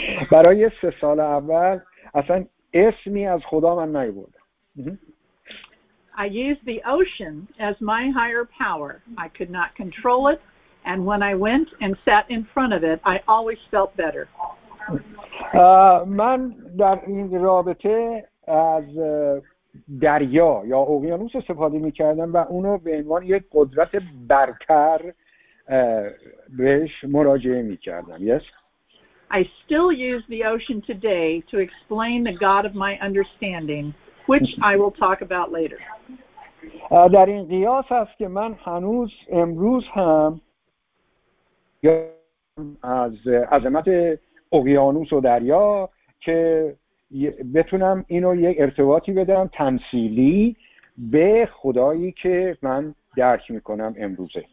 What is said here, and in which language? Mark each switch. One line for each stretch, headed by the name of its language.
Persian: برای 3 سال اول اصلا اسمی از خدا من نبود.
English: I used the ocean as my higher power. I could not control it, and when I went and sat in front of it, I always felt better.
Persian: من در این رابطه از دریا یا اقیانوس استفاده می‌کردم و اونو به عنوان یک قدرت برتر بهش مراجعه می‌کردم.
English: Yes. I still use the ocean today to explain the God of my understanding, which I will talk about later.
Persian: در این قیاس است که من هنوز امروز هم از عظمت اقیانوس و دریا که بتونم اینو یک ارتباطی بدم تمثیلی به خدایی که من درک میکنم امروزه.